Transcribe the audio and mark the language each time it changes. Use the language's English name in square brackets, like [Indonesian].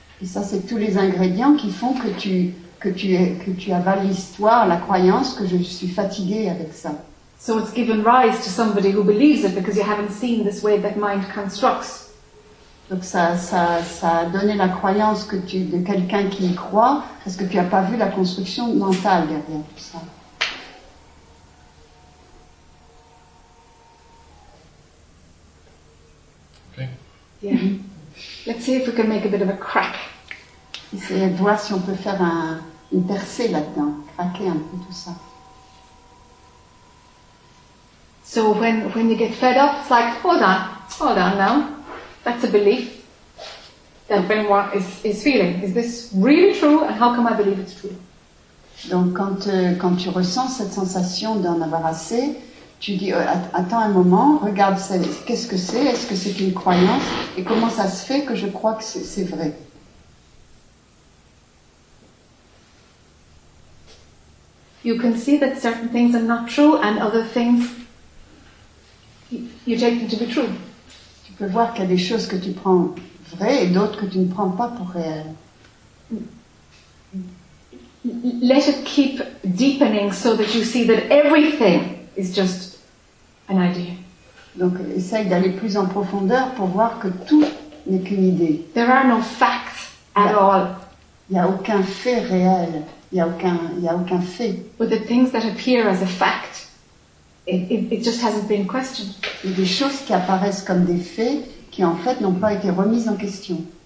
[French] Et ça, c'est tous les ingrédients qui font que tu avales l'histoire, la croyance que je suis fatiguée avec ça. [English] So it's given rise to somebody who believes it because you haven't seen this way that mind constructs. [French] Donc ça a donné la croyance de quelqu'un qui y croit parce que tu n'as pas vu la construction mentale derrière tout ça. [English] Yeah. Let's see if we can make a bit of a crack. [French] Essayer de voir si on peut faire une percée là-dedans, craquer un peu tout ça. [English] So when you get fed up, it's like, hold on now. That's a belief that Benoit is feeling. Is this really true? And how come I believe it's true? [French] Donc quand tu ressens cette sensation d'en avoir assez, tu dis, attends un moment, regarde, qu'est-ce que c'est? Est-ce que c'est une croyance? Et comment ça se fait que je crois que c'est vrai? [English] You can see that certain things are not true and other things, you take them to be true. [French] Tu peux voir qu'il y a des choses que tu prends vraies et d'autres que tu ne prends pas pour réelles. [English] Let it keep deepening so that you see that everything is just an idea. [French] Donc, essaye d'aller plus en profondeur pour voir que tout n'est qu'une idée. [English] There are no facts at all. [French] Il y a aucun fait réel. Il y a aucun fait. [English] But the things that appear as a fact. It just hasn't been questioned. [French] Et des choses qui apparaissent comme des faits qui en fait n'ont pas été remises en question.